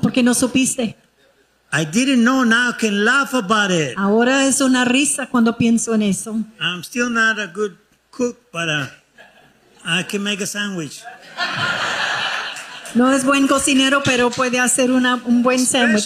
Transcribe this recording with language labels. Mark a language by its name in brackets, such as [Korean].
[Spanish] Porque no supiste. [English] I didn't know. Now I can laugh about it. [Spanish] Ahora es una risa cuando pienso en eso. [English] I'm still not a good cook, but I can make a sandwich. [Spanish] No es buen cocinero, pero puede hacer un buen sándwich.